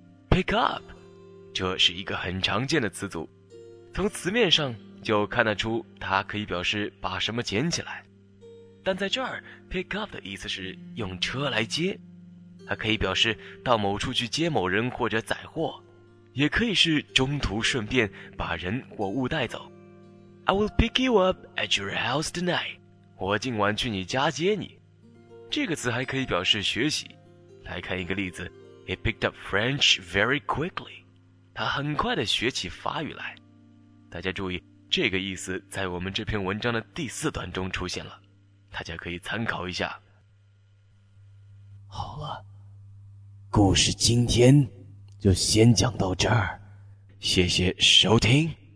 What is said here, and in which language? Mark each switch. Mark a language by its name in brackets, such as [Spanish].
[Chinese] Pick up， 这是一个很常见的词组，从词面上就看得出它可以表示把什么捡起来，但在这儿 pick up 的意思是用车来接，它可以表示到某处去接某人或者载货，也可以是中途顺便把人或物带走。 [English] I will pick you up at your house tonight， [Chinese] 我今晚去你家接你。这个词还可以表示学习，来看一个例子。 [English] He picked up French very quickly. [Chinese] 他很快地学起法语来。大家注意，这个意思在我们这篇文章的第四段中出现了，大家可以参考一下。好了，故事今天就先讲到这儿，谢谢收听。